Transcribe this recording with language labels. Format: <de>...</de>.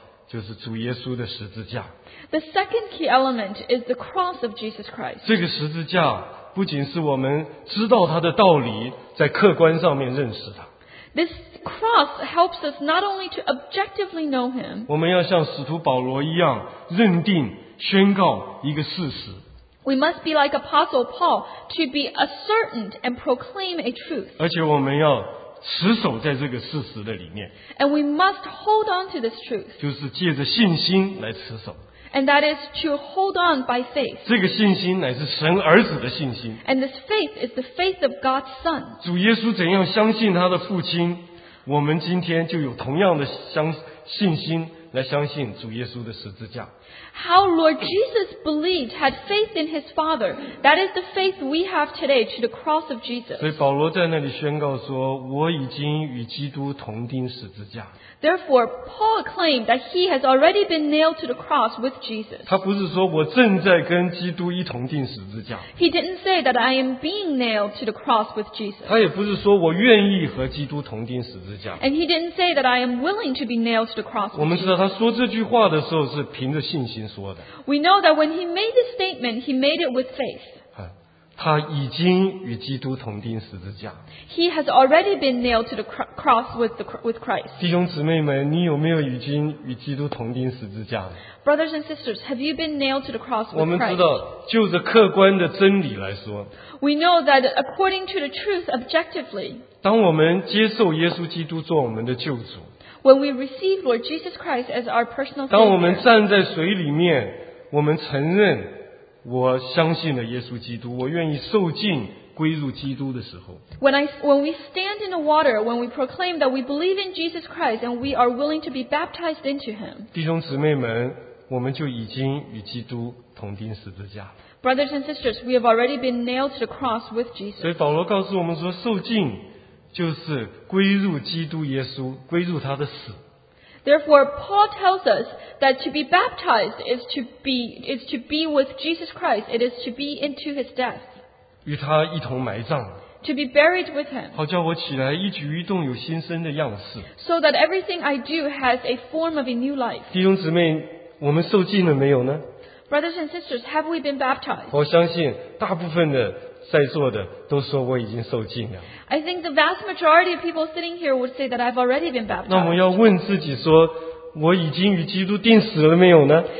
<zh>第二个要素，昨天晚上我们交通到，就是主耶稣的十字架。</zh> <en>The second key element is the cross of Jesus Christ.</en> <zh>这个十字架不仅是我们知道他的道理，在客观上面认识他。</zh> <en>This cross helps us not only to objectively know Him.</en> <zh>我们要像使徒保罗一样认定，宣告一个事实。</zh> <en>We must be like Apostle Paul to be ascertained and proclaim a truth.</en> <zh>而且我们要持守在这个事实的里面。</zh> <en>And we must hold on to this truth.</en> <zh>就是借着信心来持守。</zh> <en>And that is to hold on by faith.</en> <zh>这个信心乃是神儿子的信心。</zh> <en>And this faith is the faith of God's Son.</en> <zh>主耶稣怎样相信他的父亲, 我们今天就有同样的信心。来相信主耶稣的十字架。</zh> <en>How Lord Jesus believed, had faith in His Father, that is the faith we have today to the cross of Jesus.</en> <zh>所以保罗在那里宣告说, 我已经与基督同钉十字架。</zh> <en>Therefore, Paul claimed that he has already been nailed to the cross with Jesus.</en> <zh>他不是说我正在跟基督一同钉十字架。</zh> <en>He didn't say that I am being nailed to the cross with Jesus.</en> <zh>他也不是说我愿意和基督同钉十字架。</zh> <en>And he didn't say that I am willing to be nailed to the cross with Jesus.</en> <zh>他说这句话的时候是凭着信心说的。</zh> <en>We know that when he made this statement, he made it with faith.</en> <zh>他已经与基督同钉十字架。</zh> <en>He has already been nailed to the cross with Christ.</en> <zh>弟兄姊妹们，你有没有已经与基督同钉十字架？</zh> <en>Brothers and sisters, have you been nailed to the cross with Christ?</en> <zh>我们知道，就着客观的真理来说。</zh> <en>We know that according to the truth, objectively.</en> <zh>当我们接受耶稣基督做我们的救主。</zh> <en>When we receive Lord Jesus Christ as our personal Savior,</en> <zh>当我们站在水里面, 我们承认我相信了耶稣基督, 我愿意受浸归入基督的时候,</zh> <en>when we stand in the water, when we proclaim that we believe in Jesus Christ and we are willing to be baptized into Him,</en> <zh>弟兄姊妹们, 我们就已经与基督同钉十字架。</zh> <en>Brothers and sisters, we have already been nailed to the cross with Jesus.</en> <zh>所以保罗告诉我们说, 受浸 就是归入基督耶稣，归入他的死。</zh> <en>Therefore, Paul tells us that to be baptized is to be with Jesus Christ. It is to be into His death.</en> <zh>与他一同埋葬。</zh> <en>to be buried with him.</en> <zh>好叫我起来一举一动有新生的样式。</zh> <en>So that everything I do has a form of a new life.</en> <zh>弟兄姊妹, 我们受浸了没有呢?</zh> <en>Brothers and sisters, have we been baptized?</en> <zh>我相信大部分的在座的都说我已经受浸了。</zh> <en>I think the vast majority of people sitting here would say that I've already been baptized.</en> <zh>那我们要问自己说, 我已经与基督钉死了没有呢?</zh>